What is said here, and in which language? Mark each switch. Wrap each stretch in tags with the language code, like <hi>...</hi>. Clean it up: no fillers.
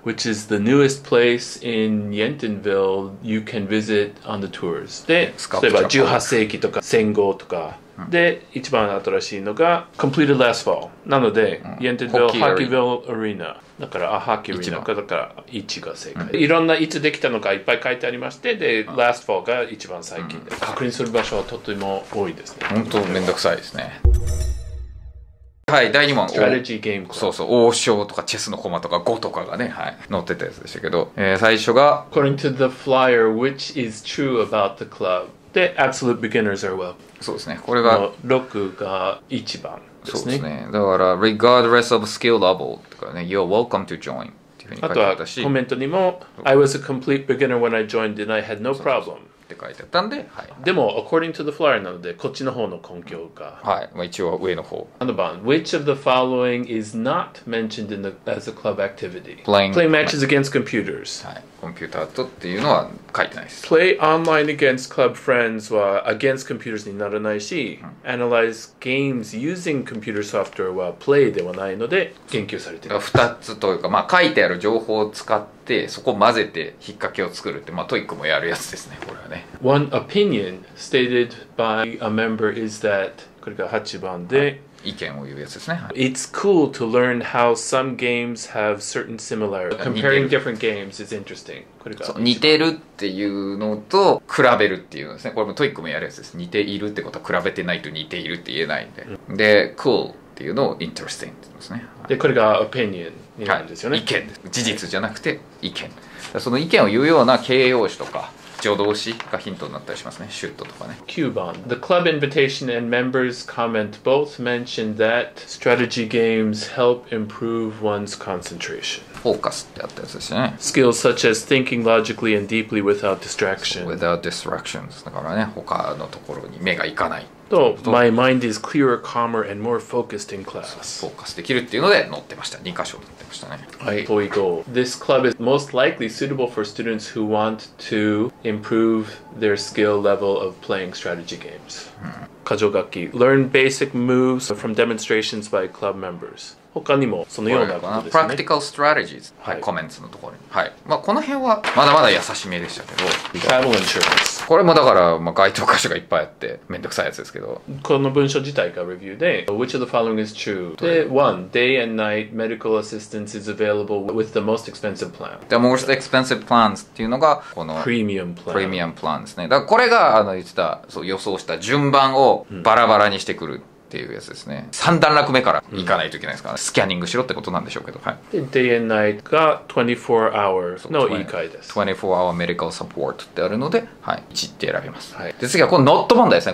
<en>Which is the newest place in Yentonville you can visit on the tours</en> <ja>で、例えば18世紀とか戦後とか、うん、で、一番新しいのが</ja> <en>Completed last fall</en> <ja>なので、うん、Yentonville Hockeyville Arena だから、あ、ハッキーアリーナか、だから1が正解、うん、いろんないつできたのかいっぱい書いてありまして、で、うん、last fall が一番最近で、うん、確認する場所はとても多いですね、本当めんどくさいですね。はい、第2問。</ja> <en>Strategy Game</en> <ja>Club。そうそう、王将とかチェスの駒とか碁とかがね、はい、載ってたやつでしたけど、最初が</ja> <en>According to the flyer, which is true about the club? The absolute beginners are welcome.</en> <ja>そうですね、これが 6が1番ですね。そうですね、だから</ja> <en>Regardless of skill level</en> <ja>とかね、</ja> <en>You're welcome to join</en> <ja>っていうふうに書いてあったし、あとはコメントにも</ja> <en>I was a complete beginner when I joined and I had no problem</en> <ja>って書いてあったんで、はい、でも</ja> <en>according to the flyer</en> <ja>なのでこっちの方の根拠が、はい、まあ、一応上の方、</ja> <en>7番 Which of the following is not mentioned in the, as a club activity? Playing matches against computers、</en> <ja>はい、コンピューターとっていうのは書いてないです。</ja> <en>Play online against club friends は against computers にならないし、うん、Analyze games using computer software は play</en> <ja>ではないので言及されている。2つというか、まあ、書いてある情報を使っててそこを混ぜて引っ掛けを作るって、まあ、トイックもやるやつですねこれはね。</ja> <en>One opinion stated by a member is that</en> <ja>これが8番で、はい、意見を言うやつですね。</ja> <en>It's cool to learn how some games have certain similarities. Comparing different games is interesting.</en> <ja>これが似てるっていうのと比べるっていうのですね。これもトイックもやるやつです。似ているってことは比べてないと似ているって言えないんで、うん、で cool っていうのを interesting って言いますね。でこれが opinionなんですよね、はい、意見、事実じゃなくて意見、その意見を言うような形容詞とか助動詞がヒントになったりしますね。シュートとかね。</ja> <en>9番 The club invitation and members comment both mentioned that strategy games help improve one's concentration.</en> <ja>フォーカスってあったやつですね。</ja> <en>Skills such as thinking logically and deeply without distraction. Without distractions</en> <ja>だからね、他のところに目がいかない</ja> <en>と、My mind is clearer, calmer, and more focused in class.</en> <ja>フォーカスできるっていうので載ってました。2箇所載ってましたね。</ja> <en>はい。Toy goal. This club is most likely suitable for students who want to improve their skill level of playing strategy games.、うん、箇条書き。 Learn basic moves from demonstrations by club members.</en> <ja>他にもそのようなことですね。</ja> <en>Practical strategies、</en> <ja>はい、コメントのところに、はい、まあ、この辺はまだまだ優しめでしたけど、</ja> <en>Travel insurance、</en> <ja>これもだからまあ該当箇所がいっぱいあってめんどくさいやつですけど、この文章自体がレビューで</ja> <en>Which of the following is true?</en> <ja>で、 1.</ja> <en>Day and night medical assistance is available with the most expensive plan. The most expensive plans</en> <ja>っていうのがこの</ja> <en>Premium plan, Premium plan ですね。</en> <ja>だからこれがあの言ってた、そう予想した順番をバラバラにしてくる、うんっていうやつですね。三段落目から行かないといけないですから、ね、うん、スキャニングしろってことなんでしょうけど、はい、で</ja> <en>Day and night</en> <ja>が24 hours の言い換えです。</ja> <en>24 hour medical support</en> <ja>ってあるので、はい、1って選びます、はい、で次はこのノット問題ですね。</ja>